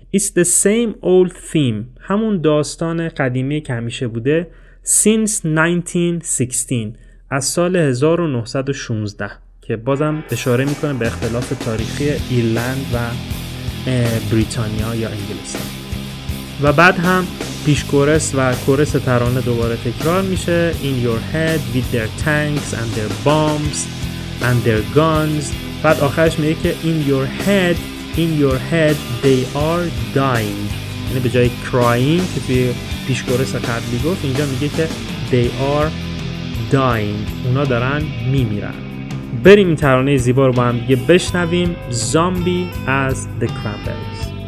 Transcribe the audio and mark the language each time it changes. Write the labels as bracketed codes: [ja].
[en] It's the same old theme، [fa] همون داستان قدیمی که همیشه بوده. [en] since 1916، [fa] از سال 1916، که بازم اشاره میکنه به اختلاف تاریخی ایرلند و بریتانیا یا انگلستان. و بعد هم پیش کورس و کورس ترانه دوباره تکرار میشه، [en] in your head with their tanks and their bombs and their guns. [fa] بعد آخرش میگه که [en] in your head they are dying، [fa] یعنی به جای crying که توی پیشکورس قبلی گفت، اینجا میگه که [en] they are dying، [fa] اونا دارن میمیرن. بریم این ترانه زیبا رو با هم دیگه بشنویم، zombie از the Cranberries.